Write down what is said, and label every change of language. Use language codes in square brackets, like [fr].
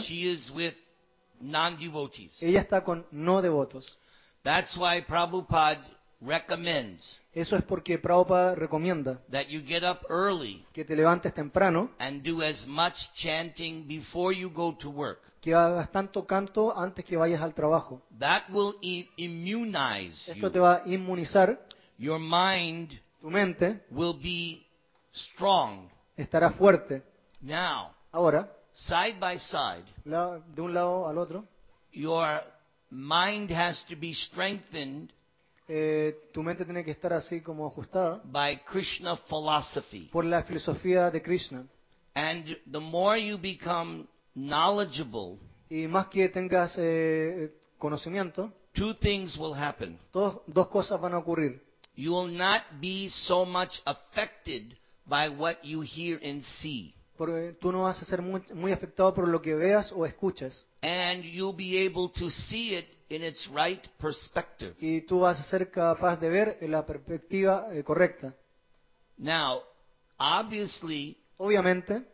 [en] She is with non-devotees. [es] Ella está con no devotos. [en] That's why Prabhupada recommends. [es] Eso es porque Prabhupada recomienda. [en] That you get up early. [es] Que te levantes temprano. [en] And do as much chanting before you go to work. [es] Que hagas tanto canto antes que vayas al trabajo. [en] That will immunize you. [es] Esto te va a inmunizar. [en] Your mind. [es] Tu mente. [en] Will be strong. [es] Estará fuerte. [en] Now. [es] Ahora. [en] Side by side. [es] De un lado al otro. [en] Your mind has to be strengthened. [es] Tu mente tiene que estar así como ajustada. [en] By Krishna philosophy. [es] Por la filosofía de Krishna. [en] And the more you become knowledgeable. [es] Y más que tengas conocimiento. [en] Two things will happen. [es] Dos cosas van a ocurrir. [en] You will not be so much affected by what you hear and see. [es] Porque tú no vas a ser muy afectado por lo que veas o escuchas. [en] And you'll be able to see it in its right perspective. [es] Y tú vas a ser capaz de ver en la perspectiva correcta. [en] Now, obviously, [es] obviamente,